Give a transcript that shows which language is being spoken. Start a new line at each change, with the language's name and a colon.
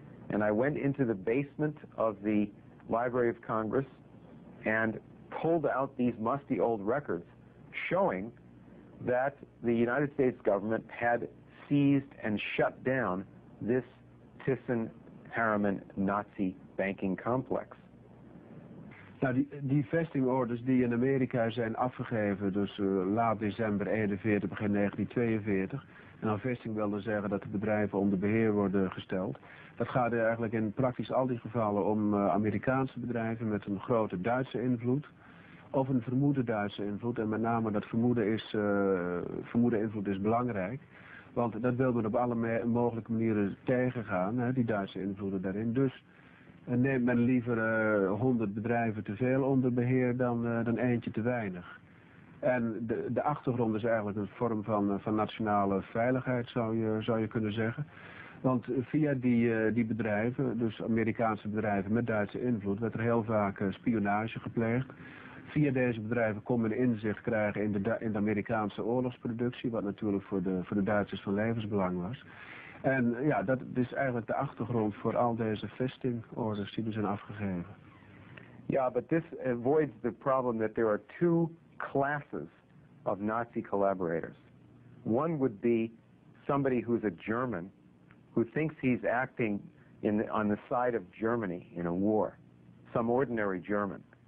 English: And I went into the basement of the Library of Congress and pulled out these musty old records showing that the United States government had seized and shut down this Thyssen-Harriman Nazi banking complex.
Dutch: Nou, die vesting orders die in Amerika zijn afgegeven, dus laat december 41, begin 1942, en dan vesting wilde zeggen dat de bedrijven onder beheer worden gesteld. Dat gaat eigenlijk in praktisch al die gevallen om Amerikaanse bedrijven met een grote Duitse invloed, of een vermoede Duitse invloed, en met name dat vermoede invloed is belangrijk, want dat wil men op alle mogelijke manieren tegengaan, hè, die Duitse invloeden daarin. Dus neemt men liever 100 bedrijven te veel onder beheer dan eentje te weinig. En de achtergrond is eigenlijk een vorm van nationale veiligheid, zou je kunnen zeggen. Want via die bedrijven, dus Amerikaanse bedrijven met Duitse invloed, werd er heel vaak spionage gepleegd. Via deze bedrijven kon men inzicht krijgen in de Amerikaanse oorlogsproductie, wat natuurlijk voor de Duitsers van levensbelang was. En ja, dat is eigenlijk de achtergrond voor al deze vesting orders die er zijn afgegeven.
English: Ja, but this avoids the problem that there are two classes of Nazi collaborators. One would be somebody who's a German who thinks he's acting on the side of Germany in a war, some ordinary German.